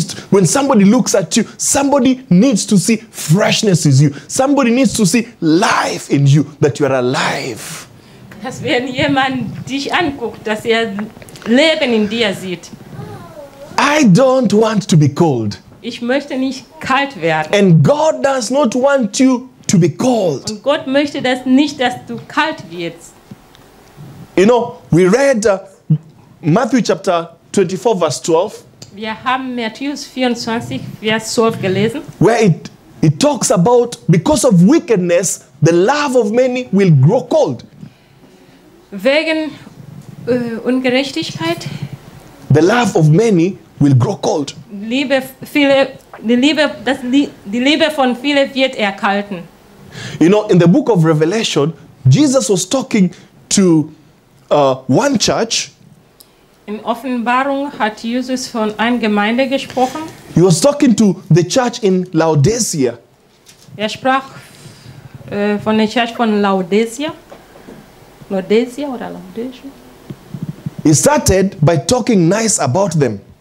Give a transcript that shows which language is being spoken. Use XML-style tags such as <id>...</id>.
<en>When somebody looks at you, somebody needs to see freshness in you. Somebody needs to see life in you, that you are alive.</en> <de>Dass wenn jemand dich anguckt, dass er Leben in dir sieht.</de> <en>I don't want to be cold.</en> <de>Ich möchte nicht kalt werden.</de> <en>And God does not want you to be cold.</en> <de>Und Gott möchte das nicht, dass du kalt wirst.</de> <en>You know, we read Matthew chapter 24, verse 12.</en> <de>Wir haben Matthäus 24, Vers 12 gelesen.</de> <en>Where it talks about, because of wickedness, the love of many will grow cold.</en> <de>Wegen Ungerechtigkeit.</de> <en>The love of many will grow cold.</en> <de>Liebe viele, die Liebe von vielen wird erkalten.</de> <en>You know, in the book of Revelation, Jesus was talking to one church.</en> <de>In Offenbarung hat Jesus von einer Gemeinde gesprochen.</de> <en>He was talking to the church in Laodicea.</en> <de>Er sprach von der Church von Laodicea. Laodicea oder Laodicea?</de> <en>He started by talking nice about them.</en>